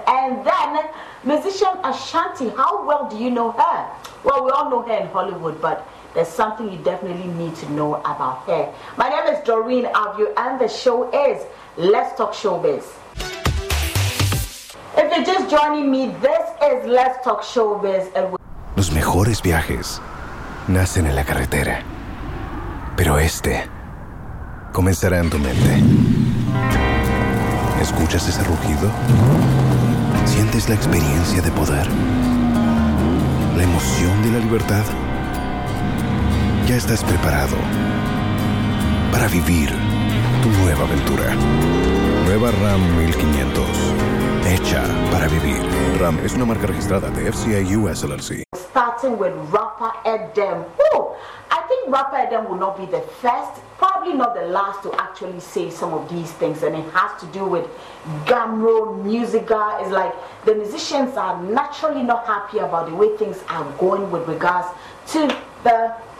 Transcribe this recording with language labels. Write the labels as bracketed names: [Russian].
[English] And then musician Ashanti, how well do you know her? Well, we all know her in Hollywood, but there's something you definitely need to know about her. My name is Doreen Avio, and the show is Let's Talk Showbiz. If you're just joining me, this is Let's Talk Showbiz. [Spanish] Los mejores viajes nacen en la carretera, pero este comenzará en tu mente. ¿Escuchas ese rugido? ¿Sientes la experiencia de poder? ¿La emoción de la libertad? Ya estás preparado para vivir tu nueva aventura. Nueva Ram 1500. Hecha para vivir. Ram es una marca registrada de FCA US LLC. [English] Starting with rapper Edem. I think rapper Edem will not be the first, probably not the last, to actually say some of these things. And it has to do with Gamro Musica. It's like the musicians are naturally not happy about the way things are going with regards to the